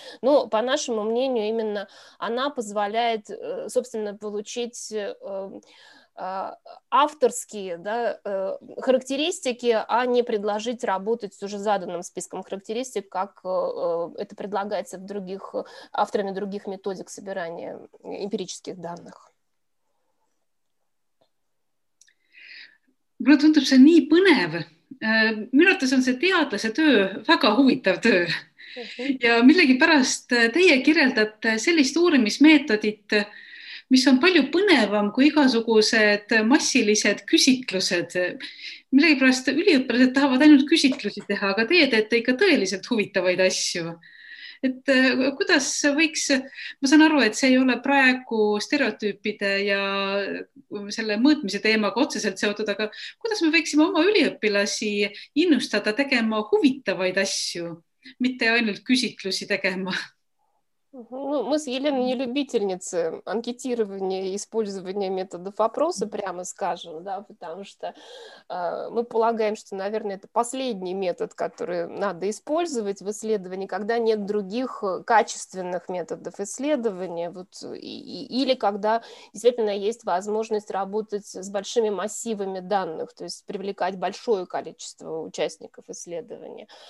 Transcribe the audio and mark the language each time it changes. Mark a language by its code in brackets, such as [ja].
[ru] Но, по нашему мнению, именно она позволяет, собственно, получить авторские, да, характеристики, а не предложить работать с уже заданным списком характеристик, как это предлагается в других, авторами других методик собирания эмпирических данных. Мне кажется, это так интересно. Мне кажется, это [et] teadlase töö, väga huvitav töö. Ja millegi pärast teie kirjeldate sellist uurimismeetodit, mis on palju põnevam kui igasugused massilised küsitlused. Millegipärast üliõpilased tahavad ainult küsitlusi teha, aga teie teete ikka tõeliselt huvitavaid asju. Et kuidas võiks, ma saan aru, et see ei ole praegu stereotüüpide ja selle mõõtmise teemaga otseselt seotud, aga kuidas me võiksime oma üliõpilasi innustada tegema huvitavaid asju, mitte ainult küsitlusi tegema? [ru] Ну, мы с Еленой не любительницы анкетирования и использования методов опроса, прямо скажем, да, потому что мы полагаем, что, наверное, это последний метод, который надо использовать в исследовании, когда нет других качественных методов исследования, вот, или когда действительно есть возможность работать с большими массивами данных, то есть привлекать большое количество участников исследования.